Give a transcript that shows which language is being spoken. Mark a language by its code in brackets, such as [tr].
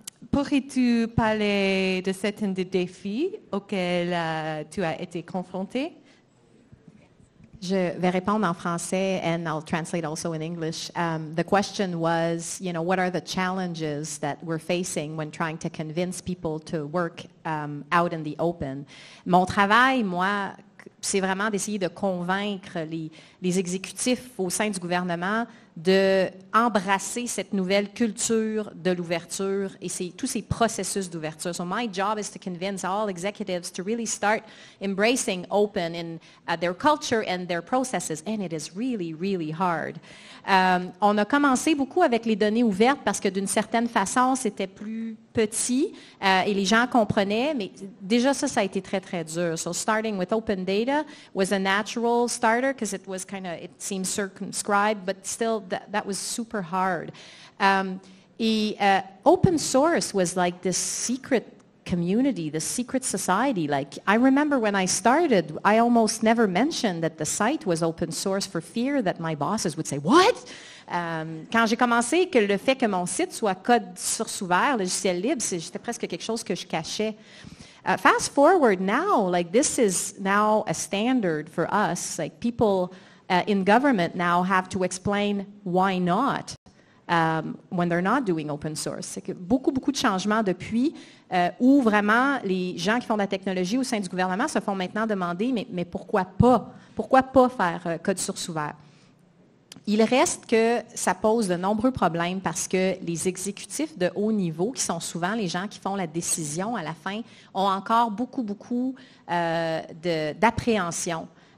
[fr] Pourrais-tu parler de certains des défis auxquels tu as été confronté? Je vais répondre en français, [en] and I'll translate also in English. The question was, you know, what are the challenges that we're facing when trying to convince people to work out in the open? [fr] Mon travail, moi, c'est vraiment d'essayer de convaincre les exécutifs au sein du gouvernement d'embrasser cette nouvelle culture de l'ouverture et tous ces processus d'ouverture. [en] So my job is to convince all executives to really start embracing open in their culture and their processes. And it is really, really hard. [fr] On a commencé beaucoup avec les données ouvertes parce que d'une certaine façon, c'était plus petit et les gens comprenaient, mais déjà ça a été très, très dur. [en] So starting with open data was a natural starter because it was kind of, it seemed circumscribed, but still that was super hard. Open source was like this secret community, the secret society. Like, I remember when I started, I almost never mentioned that the site was open source for fear that my bosses would say, what? [fr] Quand j'ai commencé, que le fait que mon site soit code source ouvert, logiciel libre, c'était presque quelque chose que je cachais. [en] Fast forward now, like, this is now a standard for us. Like, people in government now have to explain why not. When they're not doing open source. [fr] C'est que beaucoup, beaucoup de changements depuis où vraiment les gens qui font de la technologie au sein du gouvernement se font maintenant demander mais pourquoi pas? Pourquoi pas faire code source ouvert? Il reste que ça pose de nombreux problèmes parce que les exécutifs de haut niveau, qui sont souvent les gens qui font la décision à la fin, ont encore beaucoup, beaucoup d'appréhension.